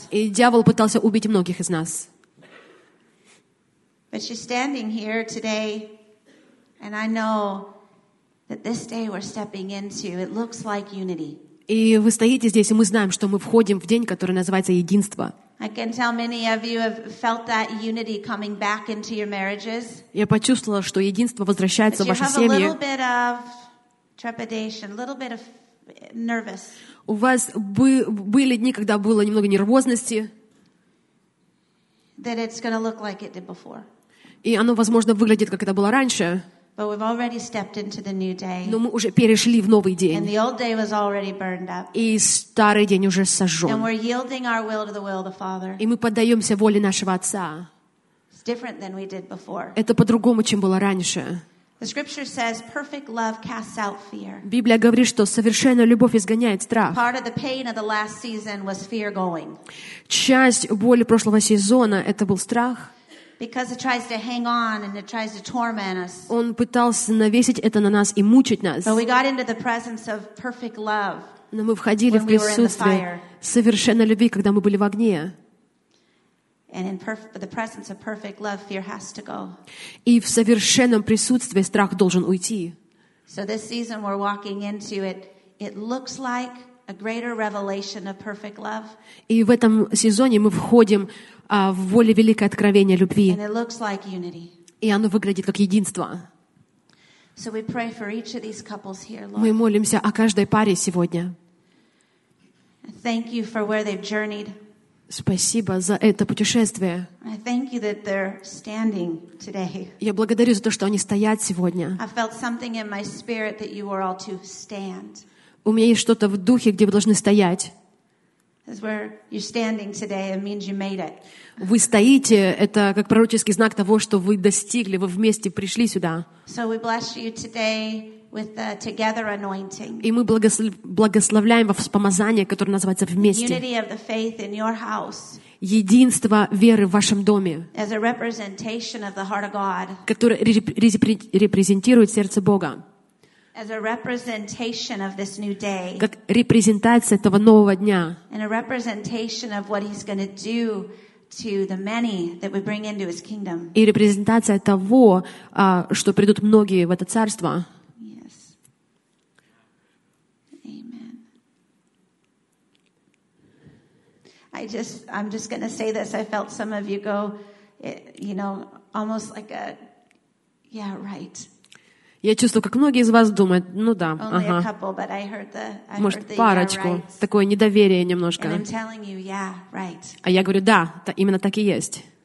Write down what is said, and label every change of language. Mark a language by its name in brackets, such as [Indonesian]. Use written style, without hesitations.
[Russian] И дьявол пытался убить многих из нас. Но она стоит здесь сегодня, и я знаю, [English] that this day we're stepping into, it looks like unity. [Russian] И вы стоите здесь, и мы знаем, что мы входим в день, который называется единство. [English] I can tell many of you have felt that unity coming back into your marriages. [Russian] Я почувствовала, что единство возвращается в ваши семьи. [English] But you have a little bit of trepidation, a little bit of nervous. [Russian] У вас были дни, когда было немного нервозности. [English] That it's going to look like it did before. [Russian] И оно, возможно, выглядит, как это было раньше. [English] But we've already stepped into the new day. [Russian] Но мы уже перешли в новый день. [English] And the old day was already burned up. [Russian] И старый день уже сожжен. [English] And we're yielding our will to the will of the Father. [Russian] И мы поддаемся воле нашего Отца. [English] It's different than we did before. [Russian] Это по-другому, чем было раньше. [English] The scripture says, "Perfect love casts out fear." [Russian] Библия говорит, что совершенная любовь изгоняет страх. [English] Part of the pain of the last season was fear going. [Russian] Часть боли прошлого сезона — это был страх. [English] Because it tries to hang on and it tries to torment us. [Russian] Он пытался навесить это на нас и мучить нас. [English] But we got into the presence of perfect love. [Russian] Но мы входили в присутствие совершенной любви, когда мы были в огне. [English] And in the presence of perfect love, fear has to go. [Russian] И в совершенном присутствии страх должен уйти. [English] So this season we're walking into it. It looks like a greater revelation of perfect love. [Russian] И в этом сезоне мы входим в воле великое откровение любви. [English] And it looks like unity. [Russian] И оно выглядит как единство. [English] So we pray for each of these couples here, Lord. [Russian] Мы молимся о каждой паре сегодня. [English] Thank you for where they've journeyed. [Russian] Спасибо за это путешествие. [English] I thank you that they're standing today. [Russian] Я благодарю за то, что они стоят сегодня. [English] I felt something in my spirit that you were all to stand. [Russian] У меня есть что-то в духе, где вы должны стоять. [English] As where you're standing today, it means you made it. [Russian] Вы стоите, это как пророческий знак того, что вы достигли, вы вместе пришли сюда. [English] So we bless you today with the together anointing. [Russian] И мы благословляем вас помазание, которое называется вместе. [English] Unity of the faith in your house. [Russian] Единство веры в вашем доме. [English] As a representation of the heart of God. [Russian] Которое репрезентирует сердце Бога. [English] As a representation of this new day. [Russian] Как репрезентация этого нового дня. [English] And a representation of what he's going to do to the many that we bring into his kingdom. [Russian] И репрезентация того, что придут многие в это царство. [English] Yes. Amen. I'm just going to say this. I felt some of you go, you know, almost like a, yeah, right. [Russian] Я чувствую, как многие из вас думают, ну да, ага. [English] Couple, the, [Russian] может, парочку, такое недоверие немножко. [English] You, yeah, right. [Russian] А я говорю, да, именно так и есть.